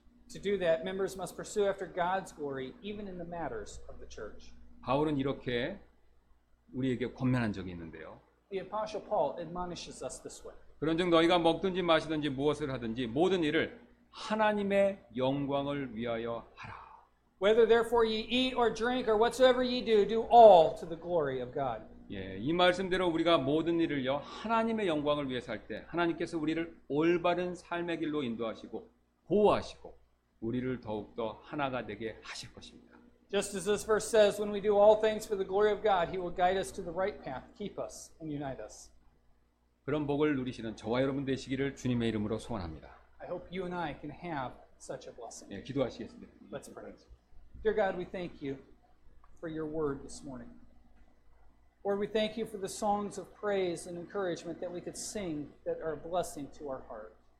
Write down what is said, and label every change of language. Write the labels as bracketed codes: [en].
[en] To do that, members must pursue after God's glory, even in the matters of the church. [ko] 바울은 이렇게 우리에게 권면한 적이 있는데요. [en] The Apostle Paul admonishes us this way. [ko] 그런즉 너희가 먹든지 마시든지 무엇을 하든지 모든 일을 하나님의 영광을 위하여 하라. [en] Whether therefore ye eat or drink or whatsoever ye do, do all to the glory of God. [ko] 예, 이 말씀대로 우리가 모든 일을요 하나님의 영광을 위해서 할 때 하나님께서 우리를 올바른 삶의 길로 인도하시고 보호하시고 우리를 더욱더 하나가 되게 하실 것입니다. [en] Just as this verse says, when we do all things for the glory of God, He will guide us to the right path, keep us, and unite us. [ko] 그런 복을 누리시는 저와 여러분 되시기를 주님의 이름으로 소원합니다. [en] I hope you and I can have such a blessing. [ko] 예, 기도하시겠습니다. [en] Let's pray. Dear God, we thank you for your word this morning. Lord, we thank you for the songs of praise and encouragement that we could sing that are a blessing to our heart.